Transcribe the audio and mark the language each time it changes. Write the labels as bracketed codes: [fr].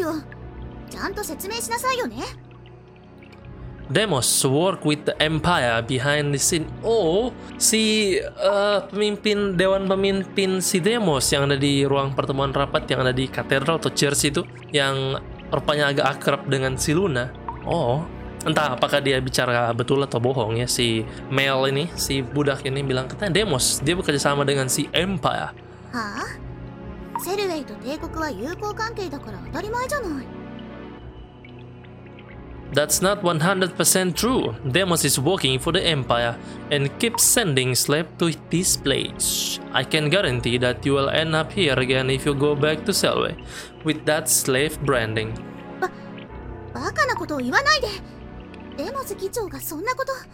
[ja] セルウェイに戻るなってどういうことよ。ちゃんと説明しなさいよね。 [en] Demos work with the Empire behind the scene. [id] Oh, si pemimpin dewan pemimpin si Demos yang ada di ruang pertemuan rapat yang ada di katedral atau church itu yang rupanya agak akrab dengan si Luna. Oh, entah apakah dia bicara betul atau bohong ya si Mel ini, si budak ini bilang katanya Demos dia bekerja sama dengan si Empire. [ja] Hah? Selway to 帝国は友好関係だから当たり前じゃない。 [en] That's not 100% true. Demos is working for the Empire and keeps sending slaves to this place. I can guarantee that you will end up here again if you go back to Selway with that slave branding. [ja] バカなことを言わないで!デモス議長がそんなこと...